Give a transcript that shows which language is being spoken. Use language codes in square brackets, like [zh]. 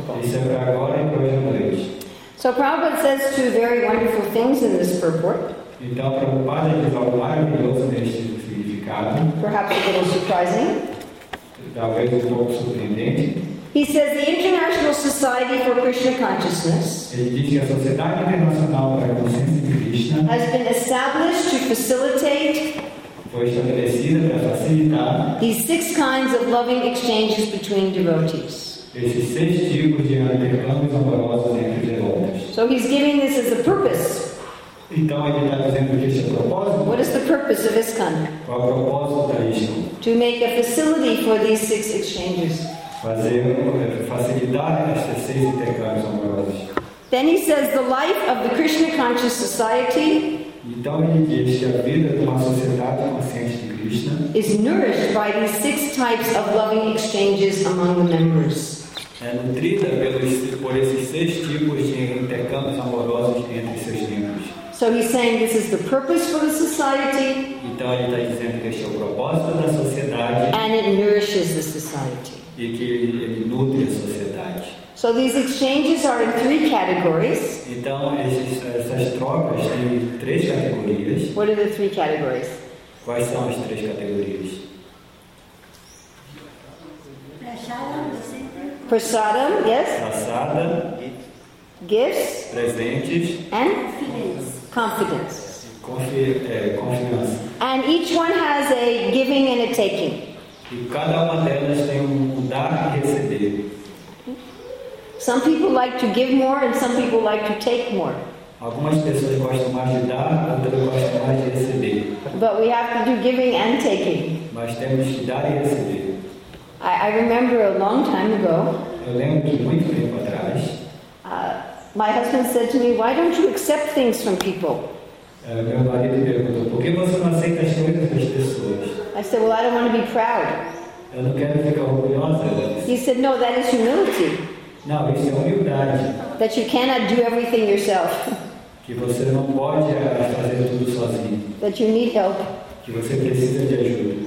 [pt] Isso é para agora e para hoje. [en] So Prabhupada says two very wonderful things in this purport. [pt] Então Prabhupada diz algo maravilhoso neste significado. [en] Perhaps a little surprising. [pt] Talvez pouco surpreendente. [en] He says the International Society for Krishna Consciousness. [pt] Ele diz que a Sociedade Internacional para a Consciência de Krishna. [en] Has been established to facilitate. [pt] Foi estabelecida para facilitar. [en] These six kinds of loving exchanges between devotees. [pt] Esses seis tipos de intercâmbios amorosos entre devotos. [en] So he's giving this as a purpose. [pt] Então ele está dizendo que esse é o propósito. [en] What is the purpose of ISKCON? [pt] Qual é o propósito da ISKCON? [en] To make a facility for these six exchanges. [pt] Facilitar estes seis intercâmbios amorosos. [en] Then he says the life of the Krishna Conscious Society. [pt] Então ele diz que a vida de uma sociedade consciente de Krishna [en] is nourished by these six types of loving exchanges among the members. [pt] É nutrida por esses seis tipos de intercâmbios amorosos entre seus membros. [en] So he's saying this is the purpose for the society. [pt] Então ele está dizendo que este é o propósito da sociedade. [en] And it nourishes the society. [pt] E que ele nutre a sociedade. [en] So these exchanges are in three categories. [pt] Então essas trocas têm três categorias. [en] What are the three categories? [pt] Quais são as três categorias? [en] Prasadam, yes. [pt] Prasada. [en] Gifts. [pt] Presentes. [en] And confidence. [pt] Confiança. [en] And each one has a giving and a taking. [pt] E cada uma delas tem dar e receber. [en] Some people like to give more and some people like to take more. [pt] Algumas pessoas gostam mais de dar, outras gostam mais de receber. [en] But we have to do giving and taking. [pt] Mas temos que dar e receber. [en] I remember a long time ago. [pt] Eu lembro de muito tempo atrás. [en] My husband said to me, "Why don't you accept things from people?" [pt] Meu marido perguntou, "Por que você não aceita as coisas das pessoas?" [en] I said, "Well, I don't want to be proud." [pt] Eu não quero ficar orgulhosa. [en] He said, "No, that is humility." [pt] Não, isso é humildade. [en] That you cannot do everything yourself. [pt] Que você não pode fazer tudo sozinho. [en] That you need help. [pt] Que você precisa de ajuda.